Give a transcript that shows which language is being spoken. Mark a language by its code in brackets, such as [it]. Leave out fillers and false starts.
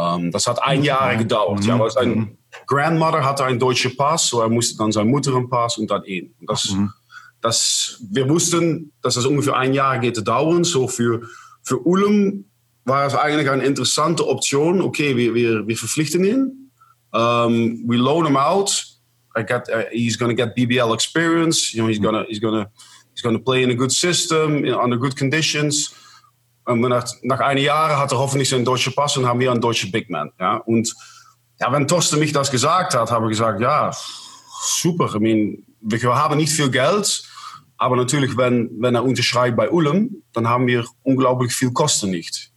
[de] Das hat ein Jahr gedauert. Mhm. Ja, weil sein Grandmother hatte einen deutschen Pass, so er musste dann seine Mutter einen Pass und dann ihn. Wir wussten, dass das ungefähr ein Jahr geht zu dauern. So für Ulm war es eigentlich eine interessante Option. Okay, wir verpflichten ihn. [en] We loan him out. He's going to get BBL experience. You know, he's going to play in a good system, under good conditions. [de] Und nach einem Jahr hat er hoffentlich seinen deutschen Pass und haben wir einen deutschen Big Man. Ja? Und ja, wenn Torsten mich das gesagt hat, habe ich gesagt, ja, super. [en] I mean, [de] wir haben nicht viel Geld, aber natürlich, wenn er unterschreibt bei Ulm, dann haben wir unglaublich viel Kosten nicht.